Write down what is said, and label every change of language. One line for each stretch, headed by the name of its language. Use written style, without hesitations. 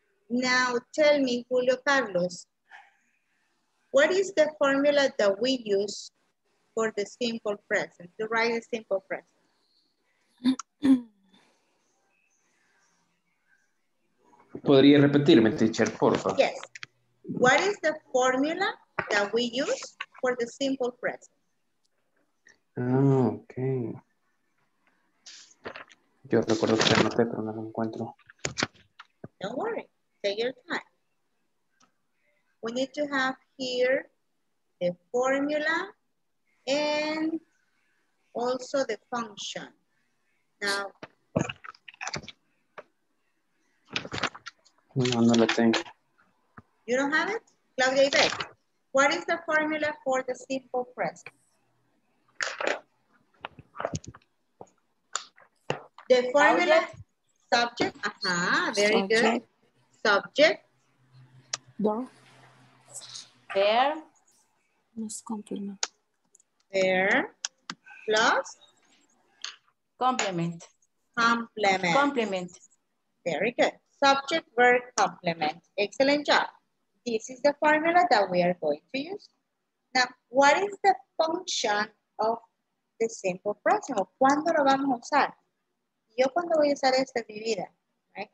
English: Now tell me, Julio Carlos, what is the formula that we use for the simple present, to write a simple present?
Spanish: ¿Podría repetirme, teacher, por favor?
English: Yes. What is the formula that we use for the simple present? Oh, okay.
Spanish: Yo recuerdo que anoté, pero no lo encuentro.
English: Don't worry. Take your time. We need to have here the formula and also the function. Now.
Spanish: No, no lo tengo.
English: You don't have it? Claudia Ibex, what is the formula for the simple present? The formula, subject, very good. Subject. There. Must complement. There. Plus. Complement. Complement. Complement. Very good. Subject, verb, complement. Excellent job. This is the formula that we are going to use. Now, what is the function of the simple present?
Spanish: ¿Cuándo lo vamos a usar? Yo cuando voy a usar esto en mi vida, right?